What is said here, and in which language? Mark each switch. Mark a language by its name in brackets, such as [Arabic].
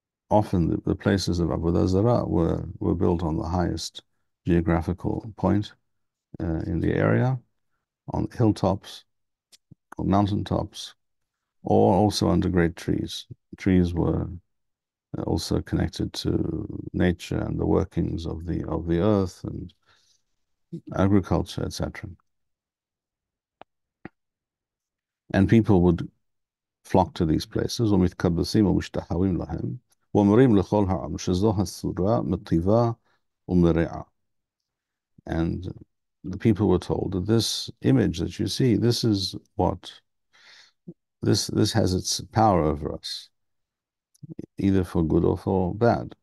[English] Often the places of Avodah Zarah were built on the highest geographical point in the area, on hilltops, on mountaintops, or also under great trees. Trees were also connected to nature and the workings of the earth and agriculture, etc. And people would flock to these places, [Hebrew] ומתקבצים ומשתחווים להם, ואומרים לכל העם שזו הסורה מטיבה ומרעה. [English] And the people were told that this image that you see, this is what this has its power over us, either for good or for bad.